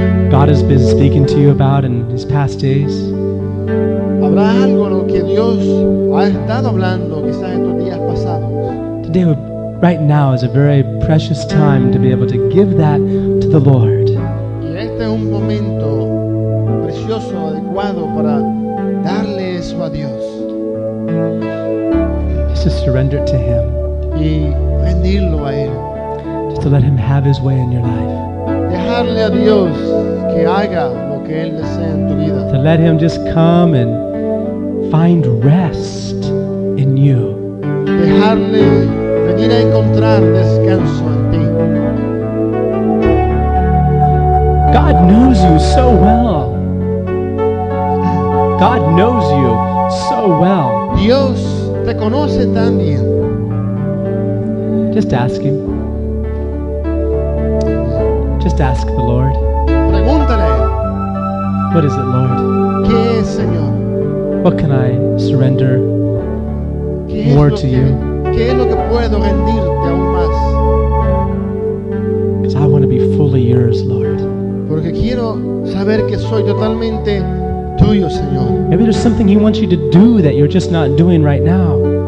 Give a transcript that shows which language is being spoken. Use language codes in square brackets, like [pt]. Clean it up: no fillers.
[en] God has been speaking to you about in these past days? [es] ¿Habrá algo en lo que Dios ha estado hablando quizás en tus días pasados? [en] Today, right now, is a very precious time to be able to give that to the Lord. [es] Y este es un momento precioso, adecuado para darle eso a Dios. [en] Just to surrender it to Him. [es] Y rendirlo a Él. [en] Just to let Him have His way in your life. [es] Dejarle a Dios que haga lo que Él desea en tu vida. [en] To let Him just come and find rest in you. [es] Dejarle venir a encontrar descanso en ti. [en] God knows you so well. God knows you so well. [es] Dios te conoce tan bien. [en] Just ask Him. Just ask the Lord. [es] Pregúntale. [en] What is it, Lord? [es] ¿Qué es, Señor? [en] What can I surrender more to you? [es] ¿Qué es lo que puedo rendirte aún más? [en] Because I want to be fully yours, Lord. [es] Porque quiero saber que soy totalmente tuyo, Señor. [en] Maybe there's something He wants you to do that you're just not doing right now.